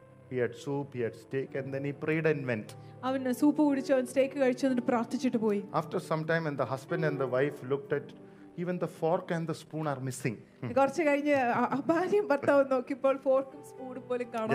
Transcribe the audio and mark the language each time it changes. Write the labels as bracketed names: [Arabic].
[English] He had soup, he had steak, and then he prayed and went. [Malayalam] അവന് soup കുടിച്ചു, അവൻ സ്റ്റേക്ക് കഴിച്ചു, എന്നിട്ട് പ്രാർത്ഥിച്ചിട്ട് പോയി. [English] After some time, when the husband and the wife looked at, even the fork and the spoon are missing. [Malayalam] കുറച്ച് കഴിഞ്ഞ് ഭാര്യയും ഭർത്താവും നോക്കിയപ്പോൾ ഫോർക്കും സ്പൂണും പോലും കാണാതെ.